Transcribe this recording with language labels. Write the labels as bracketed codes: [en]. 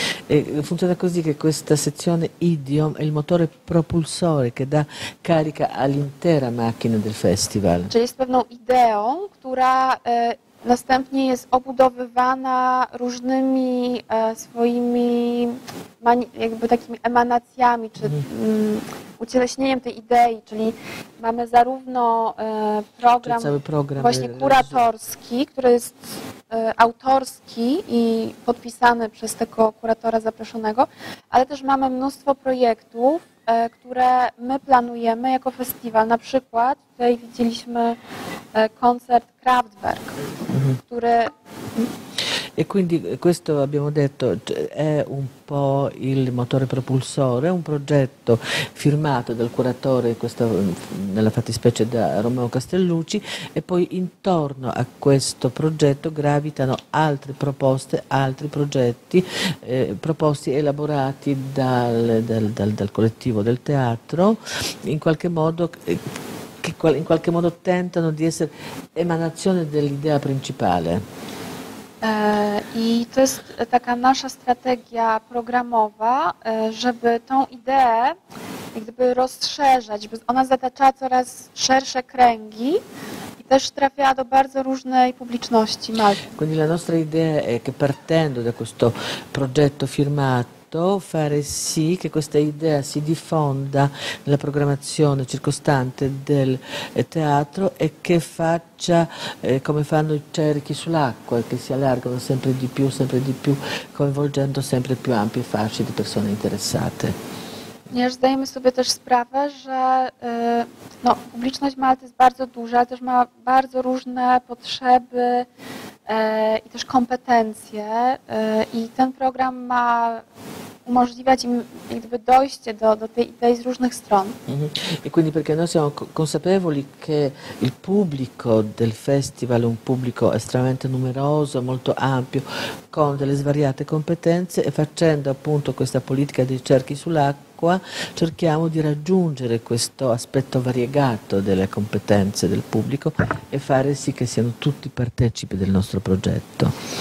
[it] E funziona così che questa sezione idiom è il motore propulsore che dà carica all'intera macchina del festival. Cioè è una idea che [pl] następnie jest obudowywana różnymi swoimi jakby takimi emanacjami czy ucieleśnieniem tej idei, czyli mamy zarówno program właśnie kuratorski, który jest autorski i podpisany przez tego kuratora zaproszonego, ale też mamy mnóstwo projektów, które my planujemy jako festiwal. Na przykład tutaj widzieliśmy koncert Kraftwerk, który... [it] E quindi questo abbiamo detto è un po' il motore propulsore, è un progetto firmato dal curatore, questo, nella fattispecie da Romeo Castellucci, e poi intorno a questo progetto gravitano altre proposte, altri progetti, proposti elaborati dal collettivo del teatro, in qualche modo tentano di essere emanazione dell'idea principale. [pl] I to jest taka nasza strategia programowa, żeby tą ideę jak gdyby rozszerzać, bo ona zataczała coraz szersze kręgi i też trafiała do bardzo różnej publiczności. [it] Quindi la nostra idea è che partendo da questo progetto firmato fare sì che questa idea si diffonda nella programmazione circostante del teatro e che faccia come fanno i cerchi sull'acqua, che si allargano sempre di più, coinvolgendo sempre più ampie fasce di persone interessate. [pl] Nie, że zdajemy sobie też sprawę, że publiczność Malty jest bardzo duża, też ma bardzo różne potrzeby i też kompetencje i ten program ma umożliwiać im jak gdyby dojście do tej idei z różnych stron. [it] E quindi perché noi siamo consapevoli che il pubblico del festival è un pubblico estremamente numeroso, molto ampio, con delle svariate competenze e facendo appunto questa politica dei cerchi sull'acqua cerchiamo di raggiungere questo aspetto variegato delle competenze del pubblico e fare sì che siano tutti partecipi del nostro progetto.